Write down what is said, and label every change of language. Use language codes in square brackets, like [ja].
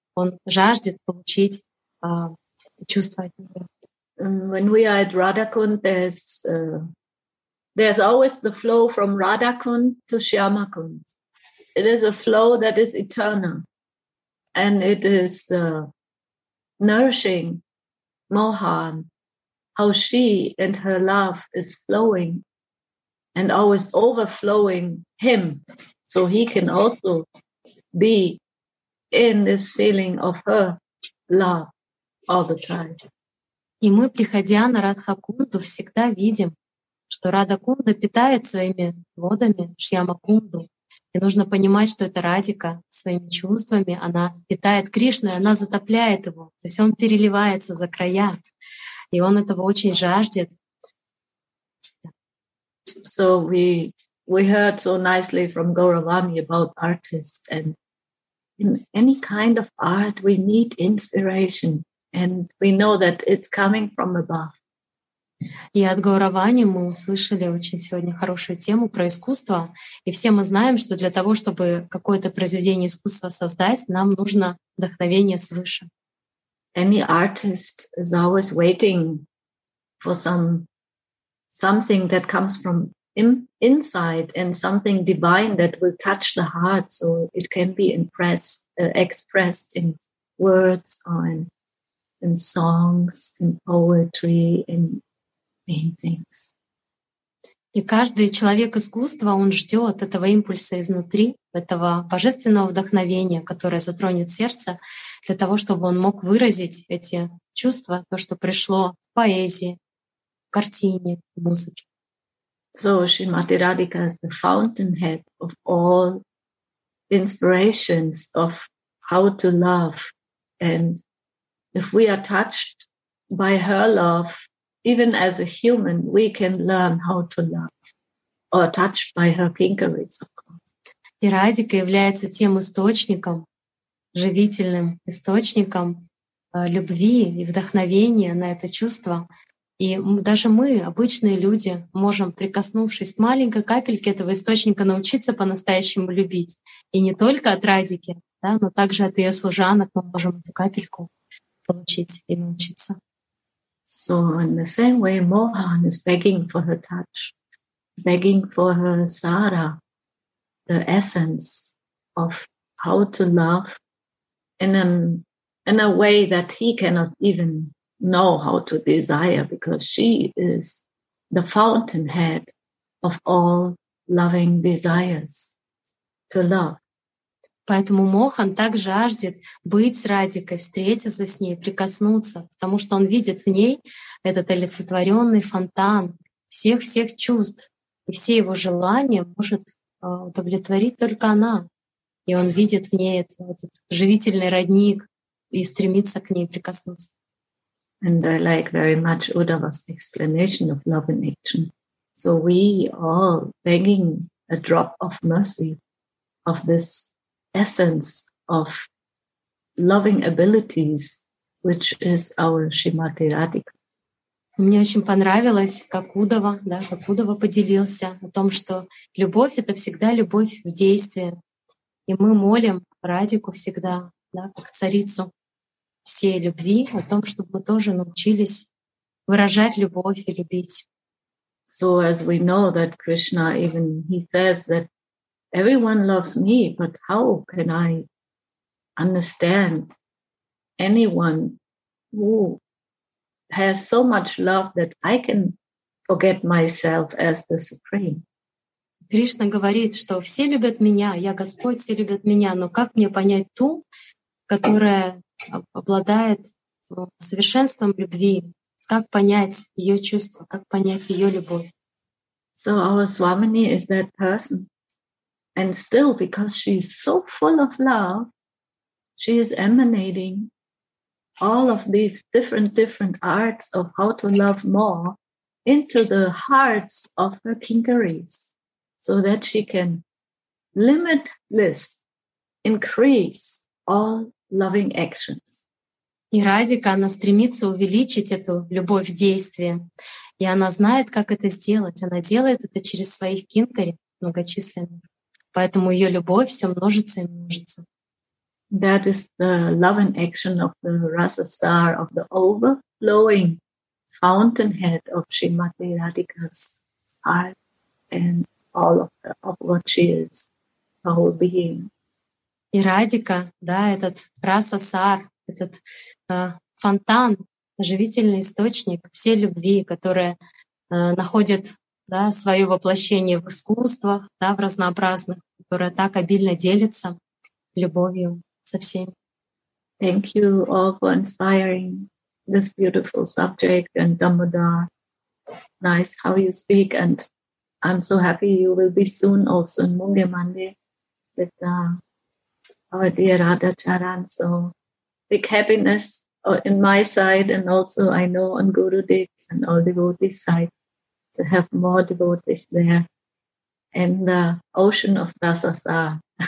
[ru] Он жаждет получить чувства от нее. [en] When we are at Radha Kund, there's always the flow from Radha Kund to Shyama Kund. it is a flow that is eternal, and it is nourishing Mohan, how she and her love is flowing and always overflowing him, so he can also be in this feeling of her love all the time. [ru] И мы, приходя на Радха-кунду, всегда видим, что Радха-кунда питает своими водами Шьяма-кунду. И нужно понимать, что это Радика своими чувствами, она питает Кришну, она затопляет его. То есть он переливается за края, и он этого очень жаждет. [en] So we heard so nicely from Gauravani about artists, and in any kind of art we need inspiration. And we know that it's coming from above. [ru] И от Гауравани мы услышали очень сегодня хорошую тему про искусство. И все мы знаем, что для того, чтобы какое-то произведение искусства создать, нам нужно вдохновение свыше. [en] Any artist is always waiting for something that comes from inside and something divine that will touch the heart so it can be expressed in words or in songs, in poetry, in paintings. [ru] И каждый человек искусства, он ждет этого импульса изнутри, этого божественного вдохновения, которое затронет сердце, для того, чтобы он мог выразить эти чувства, то, что пришло в поэзии, в картине, в музыке. [en] So Shrimati Radhika is the fountainhead of all inspirations of how to love. And if we are touched by her love, even as a human, we can learn how to love, or touched by her pinkeries, of course. [ru] И Радика является тем источником, живительным источником любви и вдохновения на это чувство. И даже мы, обычные люди, можем, прикоснувшись к маленькой капельке этого источника, научиться по-настоящему любить. И не только от Радики, да, но также от ее служанок мы можем эту капельку получить и научиться. [en] So in the same way, Mohan is begging for her touch, begging for her sara, the essence of how to love in a way that he cannot even know how to desire, because she is the fountainhead of all loving desires to love. [ru] Поэтому Мохан так жаждет быть с Радикой, встретиться с ней, прикоснуться, потому что он видит в ней этот олицетворенный фонтан всех-всех чувств, и все его желания может удовлетворить только она. И он видит в ней этот живительный родник и стремится к ней прикоснуться. [en] And I like very much Uddhava's explanation of love in action. So we all begging a drop of mercy of this essence of loving abilities, which is our Shrimati Radhika. [ru] Мне очень понравилось, как Удава, да, как Удава поделился о том, что любовь — это всегда любовь в действии. И мы молим Радику всегда, да, как царицу всей любви, о том, чтобы мы тоже научились выражать любовь и любить. [en] So as we know that Krishna, even he says that everyone loves me, but how can I understand anyone who has so much love that I can forget myself as the Supreme? [ru] Кришна говорит, что все любят меня, я Господь, все любят меня, но как мне понять ту, которая обладает совершенством любви? Как понять ее чувства, как понять ее любовь? [en] So our Swamini is that person. And still, because she is so full of love, she is emanating all of these different arts of how to love more into the hearts of her kinkaris, so that she can limitless increase all loving actions. [ru] И Радика, она стремится увеличить эту любовь в действии. И она знает, как это сделать. Она делает это через своих кинкари многочисленных. Поэтому ее любовь все множится и множится. [en] That is the love and action of the Rasa Star, of the overflowing fountainhead of Shrimati Radhika's heart and all of what she is. whole being. [ru] И Радика, да, этот Расасар, этот фонтан, живительный источник всей любви, которая находит да, свое воплощение в искусствах, да, в разнообразных, которая так обильно делится любовью со всеми. [en] Thank you all for inspiring this beautiful subject and Dhammadhar. Nice how you speak, and I'm so happy you will be soon also in Munge Mande with our dear Radha Charan. So big happiness in my side, and also I know on Guru Dev's and all devotees' side to have more devotees there in the ocean of Rasasa.